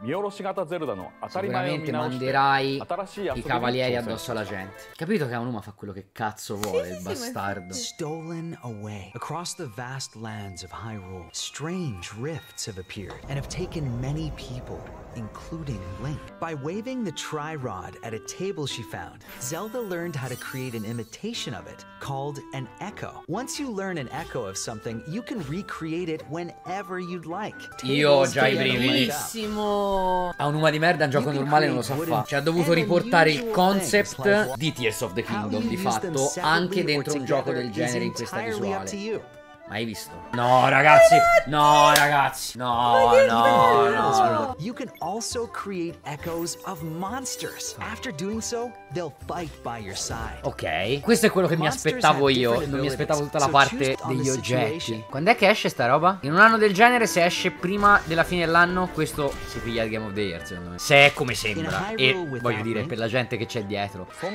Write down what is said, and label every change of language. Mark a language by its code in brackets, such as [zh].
[it] Sicuramente manderai i cavalieri addosso alla gente. Capito che Onuma fa quello che cazzo vuole, il bastardo. [en] Stolen away across the vast lands of Hyrule, strange rifts have appeared and have taken many people, including Link. By waving the tri-rod at a table she found, Zelda learned how to create an imitation of it called an echo. Once you learn an echo of something, you can recreate it whenever you'd like. [it] Io ho già i brividi. Ha un'uma di merda, un gioco normale non lo sa fa. Ci ha dovuto riportare il concept di Tears of the Kingdom, di fatto, anche dentro un gioco del genere in questa visuale. Hai visto? No, ragazzi! No, ragazzi! No, no, no, no! [en] You can also create echoes of monsters. After doing so, they'll fight by your side. [it] Ok, questo è quello che mi aspettavo io. Non mi aspettavo tutta la parte degli oggetti. Quando è che esce sta roba? In un anno del genere, se esce prima della fine dell'anno, questo si piglia il Game of the Year, secondo me. Se è come sembra. E voglio dire, per la gente che c'è dietro.